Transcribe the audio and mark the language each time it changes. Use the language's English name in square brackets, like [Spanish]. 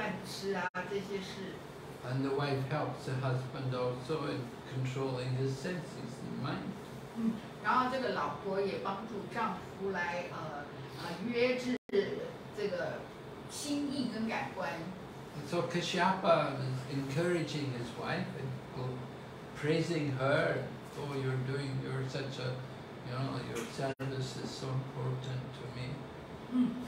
[Chinese] 老婆呢，就必须留在家里啊，照顾丈夫家务的需要啦，把家里打扫干净整洁啦，准备丈夫回来有饭吃啊，这些事。 [English] And the wife helps the husband also in controlling his senses and mind. [Chinese] 然后这个老婆也帮助丈夫来约制这个心意跟感官。 [English] And so Kashyapa is encouraging his wife and praising her, oh, you're such a, you know, your service is so important to me.